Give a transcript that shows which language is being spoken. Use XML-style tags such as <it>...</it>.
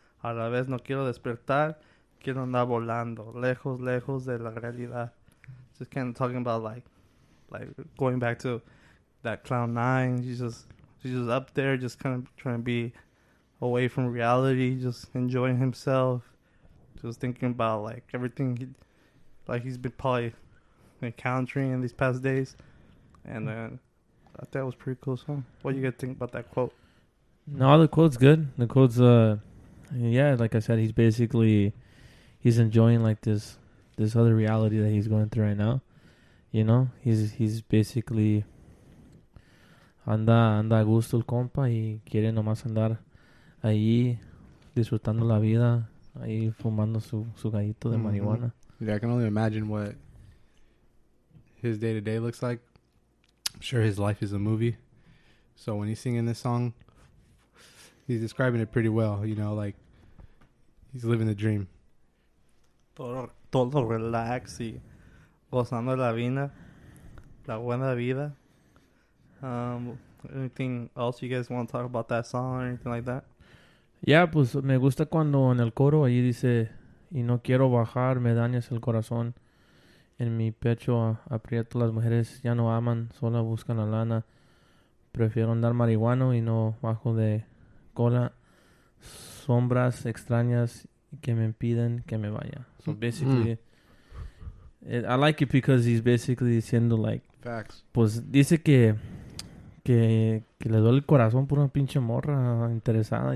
<es>A la vez no quiero despertar, quiero andar volando, lejos, lejos de la realidad.</es> <en>Just kind of talking about like going back to that cloud 9. He's just up there, just kind of trying to be away from reality, just enjoying himself. Just thinking about like everything he's been probably encountering in these past days. And then I thought that was a pretty cool song. What do you guys think about that quote? No, the quote's good. The quote's, yeah, like I said, he's basically, he's enjoying like this this other reality that he's going through right now. You know, he's basically</en> <es>anda a gusto el compa y quiere nomás andar ahí disfrutando la vida, ahí fumando su gallito de marihuana.</es> <en>Yeah, I can only imagine what his day-to-day looks like. I'm sure his life is a movie. So when he's singing this song, he's describing it pretty well, you know, like he's living the dream.</en> <es>Todo relax y gozando la vida, la buena vida.</es> <en>Anything else you guys want to talk about that song or anything like that?</en> <es>Yeah, pues me gusta cuando en el coro allí dice, y no quiero bajar, me dañas el corazón. En mi pecho aprieto, las mujeres ya no aman, solo buscan la lana. Prefiero andar marihuano y no bajo de cola. Sombras extrañas que me impiden que me vaya.</es> <en>So basically, I like it because he's basically diciendo like... Facts.</en> <es>Pues dice que le duele el corazón por una pinche morra interesada.</es>